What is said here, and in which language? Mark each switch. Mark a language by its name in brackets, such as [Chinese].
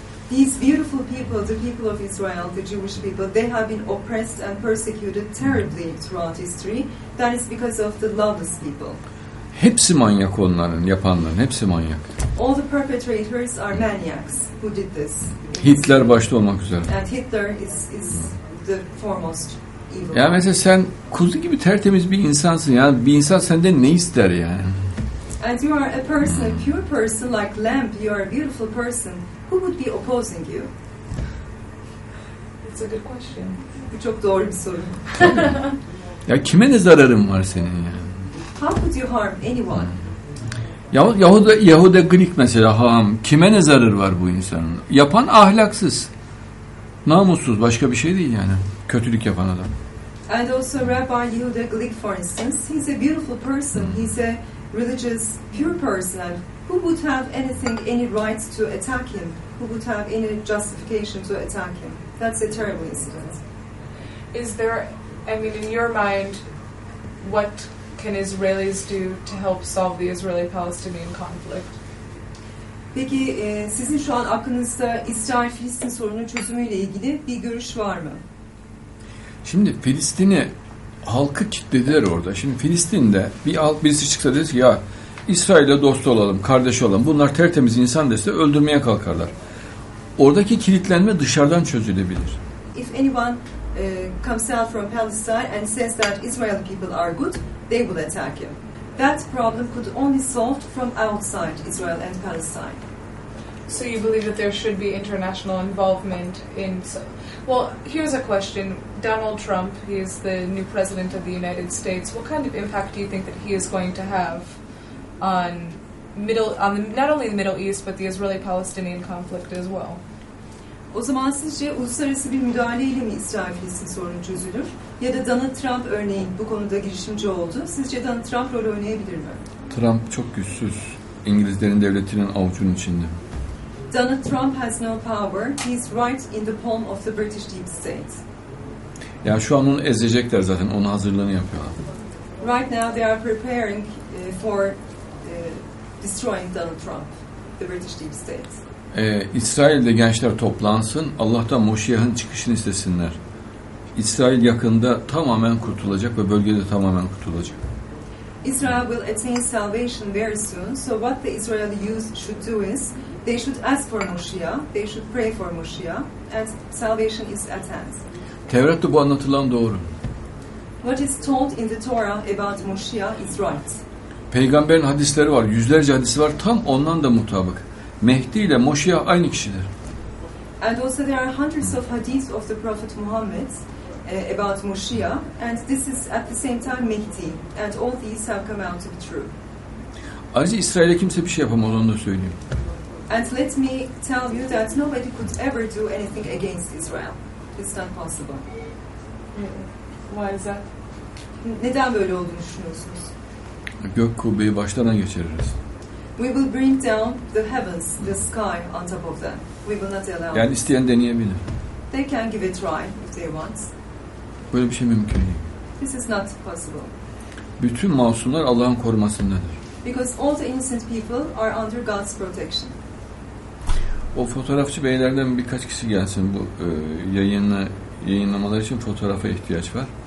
[English] These beautiful people, the people of Israel, the Jewish people, they have been oppressed and persecuted terribly throughout history. That is because of the lawless people. [Turkish] Hepsi manyak onların, yapanların hepsi manyak. [English] All the perpetrators are maniacs who did this. [Turkish] Hitler başta olmak üzere. [English] And Hitler is the foremost evil. [Turkish] Ya mesela sen kuzu gibi tertemiz bir insansın. Yani bir insan senden ne ister yani? [English] And you are a person, a pure person like lamp. You are a beautiful person. Who would be opposing you? It's a good question. [Turkish] Bu çok doğru bir soru. Ya kime ne zararın var senin ya? Yani? [English] How could you harm anyone? [Turkish] Yahuda Glik mesela, ham, kime ne zararı var bu insanın? Yapan ahlaksız, namussuz, başka bir şey değil yani. Kötülük yapan adam. [English] And also Rabbi Yehuda Glik, for instance, he's a beautiful person. He's a religious, pure person. Who would have anything, any rights to attack him? Who would have any justification to attack him? That's a terrible incident. Is there, I mean, in your mind, what can Israelis do to help solve the Israeli-Palestinian conflict? [Turkish] Peki, sizin şu an aklınızda İsrail-Filistin sorunu çözümüyle ilgili bir görüş var mı? Şimdi Filistin'i halkı kilitlediler orada. Şimdi Filistin'de bir halk, birisi çıksa dedi ki ya İsrail'e dost olalım, kardeş olalım. Bunlar tertemiz insan dese öldürmeye kalkarlar. Oradaki kilitlenme dışarıdan çözülebilir. [English] If anyone comes out from Palestine and says that Israeli people are good, they will attack him. That problem could only solved from outside Israel and Palestine. So you believe that there should be international involvement in... Well, here's a question. Donald Trump, he is the new president of the United States. What kind of impact do you think that he is going to have on not only the Middle East, but the Israeli-Palestinian conflict as well? [Turkish] O zaman sizce uluslararası bir müdahaleyle mi İsrail-Filistin sorunu çözülür? Ya da Donald Trump örneğin bu konuda girişimci oldu. Sizce Donald Trump rol oynayabilir mi? Trump çok güçsüz. İngilizlerin devletinin avucunun içinde. [English] Donald Trump has no power. He's right in the palm of the British deep state. [Turkish] Ya şu an onu ezecekler zaten. Onun hazırlığını yapıyorlar. [English] Right now they are preparing for destroying Donald Trump, the British deep state. [Turkish] İsrail'de gençler toplansın, Allah'tan Moşiyah'ın çıkışını istesinler. İsrail yakında tamamen kurtulacak ve bölgede tamamen kurtulacak. [English] Israel will attain salvation very soon. So what the Israeli youth should do is they should ask for Moşiyah, they should pray for Moşiyah and salvation is at hand. [Turkish] Tevrat'ta bu anlatılan doğru. [English] What is told in the Torah about Moşiyah is right. [Turkish] Peygamberin hadisleri var, yüzlerce hadisi var, tam ondan da mutabık. Mehdi ile Moşiyah aynı kişidir. [English] And also there are hundreds of hadiths of the Prophet Muhammad about Moşiyah and this is at the same time Mehdi and all these have come out to be true. [Turkish] Ayrıca İsrail'e kimse bir şey yapamaz, onu da söyleyeyim. [English] And let me tell you that nobody could ever do anything against Israel. It's not possible. Why is that? [Turkish] Neden böyle olduğunu düşünüyorsunuz? Gök kubbeyi başlarına geçiririz. [English] We will bring down the heavens, the sky on top of them. We will not allow. [Turkish] Yani isteyen deneyebilir. [English] They can give it a try if they want. [Turkish] Böyle bir şey mümkün değil. [English] This is not possible. [Turkish] Bütün masumlar Allah'ın korumasındadır. [English] Because all the innocent people are under God's protection. [Turkish] O fotoğrafçı beylerden birkaç kişi gelsin bu yayınlamalar için fotoğrafa ihtiyaç var.